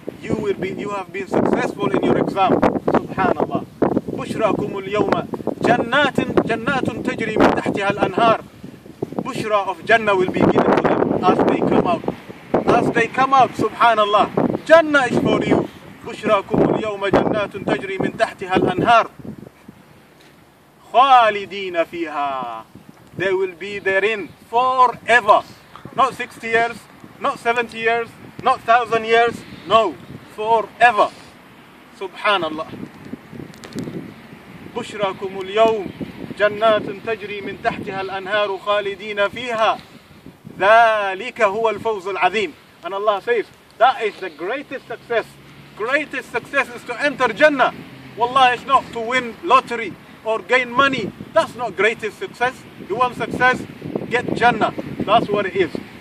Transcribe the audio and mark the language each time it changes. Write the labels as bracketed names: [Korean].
[English] You have been successful in your exam. Subhanallah. [Arabic] بُشْرَاكُمُ الْيَوْمَ جَنَّاتٌ تَجْرِي مِنْ تَحْتِهَا الْأَنْهَارِ [English] Bushra of Jannah will be given to them as they come out. As they come out, subhanallah. Jannah is for you. [Arabic] بشراكم اليوم جنات تجري من تحتها الأنهار خالدين فيها [English] They will be therein forever. Not 60 years, not 70 years, not 1,000 years. No, forever. سبحان الله. [Arabic] بشراكم اليوم جنات تجري من تحتها الأنهار خالدين فيها ذلك هو الفوز العظيم. [English] And Allah says, that is the greatest success. Greatest success is to enter Jannah. Wallah, it's not to win lottery or gain money. That's not greatest success. You want success? Get Jannah. That's what it is.